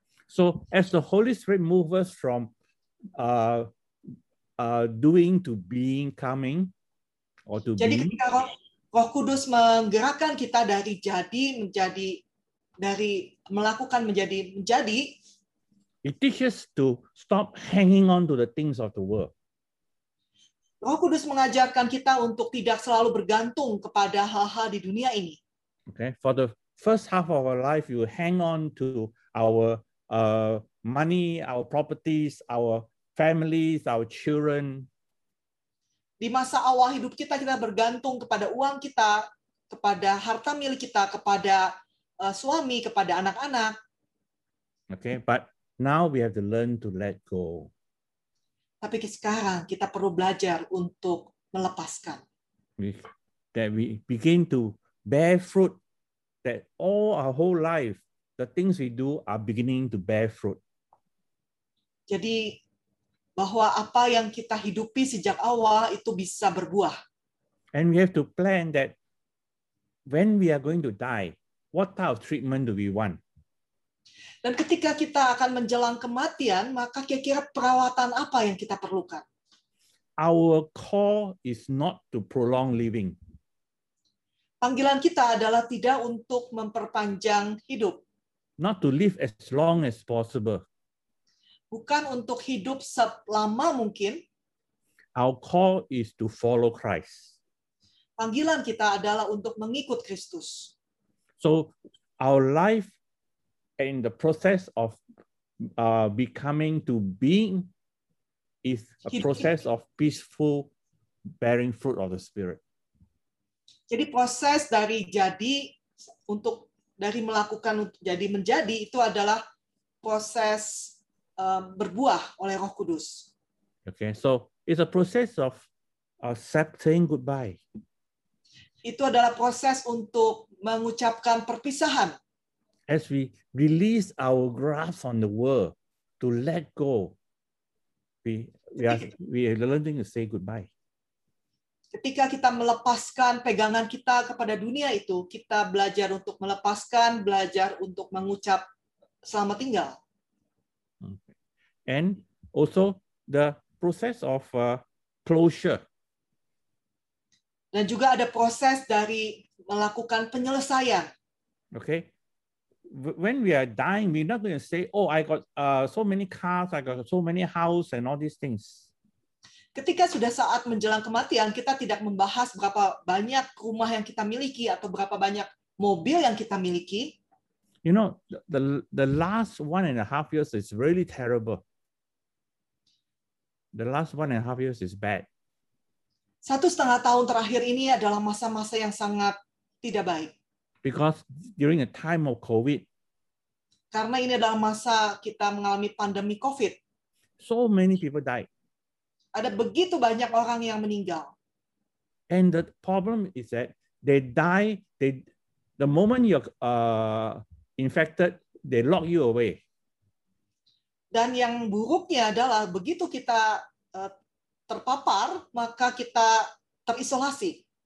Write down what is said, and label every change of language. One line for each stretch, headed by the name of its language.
English: So as the Holy Spirit moves from doing to being, coming or to
Indonesian: jadi
English: being.
Indonesian: Jadi ketika Roh Kudus menggerakkan kita dari jadi menjadi, dari melakukan menjadi menjadi.
English: It teaches to stop hanging on to the things of the world.
Indonesian: Roh Kudus mengajarkan kita untuk tidak selalu bergantung kepada hal-hal di dunia ini.
English: Okay, for the first half of our life, you hang on to our money, our properties, our families, our children.
Indonesian: Di masa awal hidup kita, kita bergantung kepada uang kita, kepada harta milik kita, kepada suami, kepada anak-anak.
English: Okay, but now we have to learn to let go.
Indonesian: Tapi sekarang kita perlu belajar untuk melepaskan.
English: That we begin to bear fruit, that all our whole life, the things we do are beginning to bear fruit.
Indonesian: Jadi bahwa apa yang kita hidupi sejak awal itu bisa berbuah.
English: And we have to plan that when we are going to die, what type of treatment do we want?
Indonesian: Dan ketika kita akan menjelang kematian, maka kira-kira perawatan apa yang kita perlukan?
English: Our call is not to prolong living.
Indonesian: Panggilan kita adalah tidak untuk memperpanjang hidup.
English: Not to live as long as possible.
Indonesian: Bukan untuk hidup selama mungkin.
English: Our call is to follow Christ.
Indonesian: Panggilan kita adalah untuk mengikut Kristus.
English: So our life in the process of becoming to being is a process of peaceful bearing fruit of the Spirit.
Indonesian: Jadi proses dari jadi untuk dari melakukan jadi menjadi itu adalah proses berbuah oleh Roh Kudus.
English: Okay, so it's a process of saying goodbye.
Indonesian: Itu adalah proses untuk mengucapkan perpisahan.
English: As we release our grasp on the world to let go, we are learning to say goodbye.
Indonesian: Ketika kita melepaskan pegangan kita kepada dunia itu, kita belajar untuk melepaskan, belajar untuk mengucap selamat tinggal.
English: And also the process of closure.
Indonesian: Dan juga ada proses dari melakukan penyelesaian.
English: Okay. When we are dying, we're not going to say, oh, I got so many cars, I got so many house and all these things.
Indonesian: Ketika sudah saat menjelang kematian, kita tidak membahas berapa banyak rumah yang kita miliki atau berapa banyak mobil yang kita miliki.
English: You know, the last 1.5 years is really terrible. The last 1.5 years is bad.
Indonesian: 1.5 tahun terakhir ini adalah masa-masa yang sangat tidak baik.
English: Because during a time of COVID.
Indonesian: Karena ini adalah masa kita mengalami pandemi COVID.
English: So many people died.
Indonesian: Ada begitu banyak orang yang meninggal.
English: And the problem is that they die, the moment you're infected, they lock you away.
Indonesian: Dan yang buruknya adalah begitu kita terpapar, maka kita terisolasi.